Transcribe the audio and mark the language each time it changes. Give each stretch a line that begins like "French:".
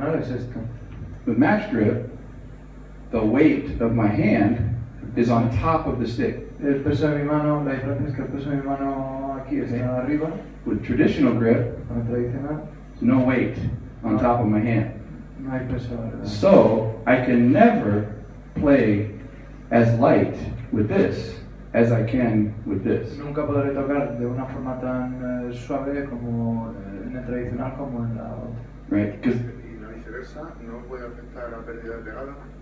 English: With match grip, the weight of my hand is on top of the stick.
Spanish: El peso de mi mano, la diferencia es que el peso de mi mano aquí está arriba.
English: With traditional grip,
Spanish: con el tradicional,
English: no weight on top of my hand.
Spanish: No hay peso arriba.
English: So I can never play as light with this as I can with this.
Spanish: Nunca podré tocar de una forma tan suave como en el tradicional como en la otra.
English: Right.
Spanish: Y la viceversa, no voy a afectar la pérdida de pegada.